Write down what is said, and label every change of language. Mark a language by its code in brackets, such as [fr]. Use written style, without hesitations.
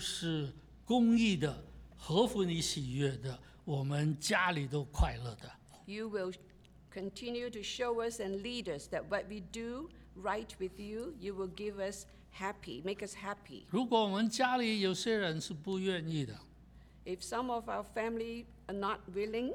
[zh] 你会慢慢教导我们所做的都是公义的。合乎你喜悦的，我们家里都快乐的。 [en] You will continue to show us and lead us that what we do right with you, you will give us happy, make us happy. [zh] 如果我们家里有些人是不愿意的 [en] If some of our family are not willing,